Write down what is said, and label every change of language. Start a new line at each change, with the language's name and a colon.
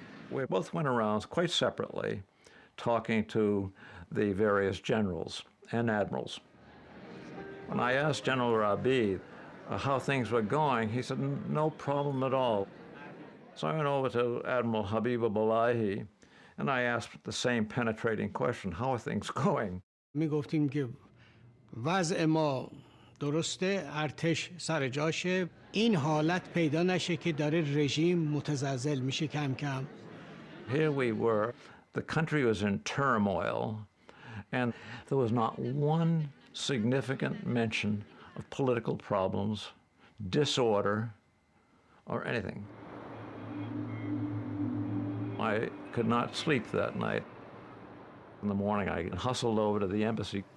English: We both went around quite separately, talking to the various generals and admirals. When I asked General Rabi how things were going, he said, no problem at all. So I went over to Admiral Habib Abdullahi, and I asked the same penetrating question, how are things going?
Persian: می گفتیم که وضع ما درسته، ارتش سر جاشه، این حالت پیدا نشه که داره رژیم متزلزل میشه کم کم.
English: Here we were, the country was in turmoil, and there was not one significant mention of political problems, disorder, or anything. I could not sleep that night. In the morning, I hustled over to the embassy.